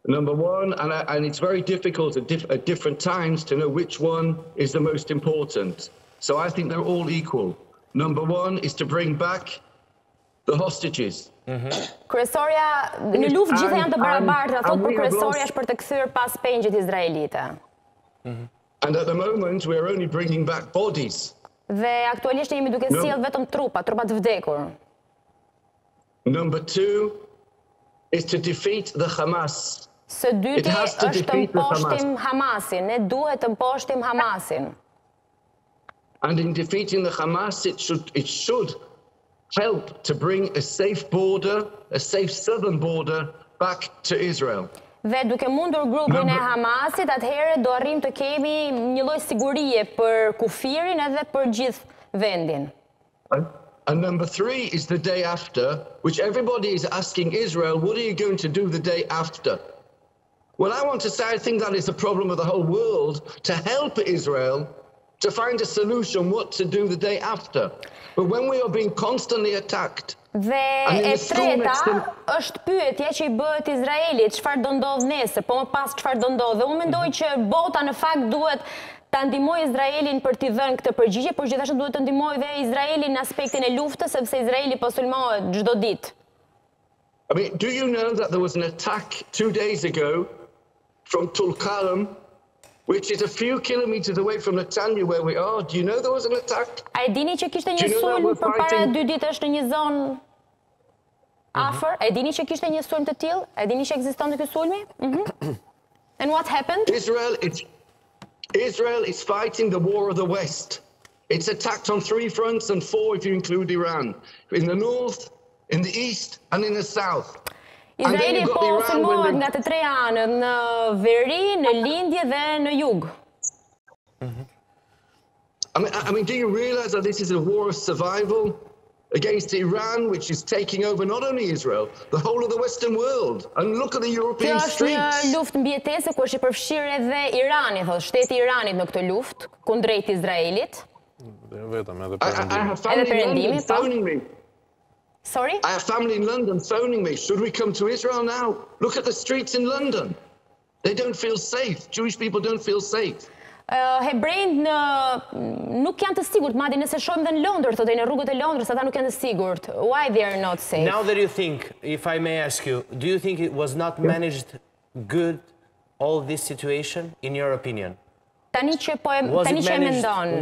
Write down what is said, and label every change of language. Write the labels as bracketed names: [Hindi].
[English] Number one, and it's very difficult at different times to know which one is the most important. So I think they're all equal. Number one is to bring back the hostages. [Albanian] Kryesoria, në luftë gjithë janë të barabartë, thotë për kryesoria është për të kthyer pas pengjet izraelite. [English] And at the moment we are only bringing back bodies. [Albanian] Dhe aktualisht ne jemi duke sjell vetëm trupa, trupa të vdekur. [English] Number two is to defeat the Hamas. [Albanian] Së dyti është të mposhtim Hamasin. Ne duhet të mposhtim Hamasin. [English] And in defeating the Hamas, it should help to bring a safe border, a safe southern border, back to Israel. [Albanian] Dhe duke mundur grupin e Hamasit, atëherë do arrim të kemi një lloj sigurie për kufirin edhe për gjithë vendin. [English] And number three is the day after, which everybody is asking Israel, what are you going to do the day after? Well, I want to say I think that is a problem of the whole world, to help Israel to find a solution what to do the day after. But when we are being constantly attacked, [Albanian] dhe e treta është pyetja që i bëhet Izraelit, çfarë do ndodhë nesër, po më pas çfarë do ndodhë. Dhe unë mendoj që bota në fakt duhet ta ndihmojë Izraelin për t'i dhënë këtë përgjigje, por gjithashtu duhet të ndihmojë dhe Izraelin në aspektin e luftës, sepse Izraeli po sulmohet çdo ditë. [English] I mean, do you know that there was an attack 2 days ago from Tulkarm, which is a few kilometers away from Netanya where we are? Do you know there was an attack? [Albanian] A e dini që kishte një sulm përpara 2 ditësh në një zonë afër? A e dini që kishte një sulm të tillë? A e dini që ekzistonte ky sulmi? [English] And what happened? Israel is fighting the war of the West. It's attacked on 3 fronts and 4 if you include Iran. In the north, in the east and in the south. [Albanian] Izraeli po sulmohet nga të tre anët, në veri, në lindje dhe në jug. [English] I mean, do you realize that this is a war of survival against Iran, which is taking over not only Israel, the whole of the Western world? And look at the European streets. [Albanian] Kjo është një luftë mbietese ku është i përfshirë edhe Irani, thotë shteti i Iranit në këtë luftë kundrejt Izraelit. Edhe perëndimi. [English] Sorry? I have family in London phoning me. Should we come to Israel now? Look at the streets in London. They don't feel safe. Jewish people don't feel safe. [Albanian] Hebrejt nuk janë të sigurt, madje nëse shohim edhe në Londër, thotë në rrugët e Londrës, ata nuk janë të sigurt. [English] Why they are not safe? Now that you think, if I may ask you, do you think it was not managed good all this situation in your opinion? [Albanian] Tani që po e tani që mendon.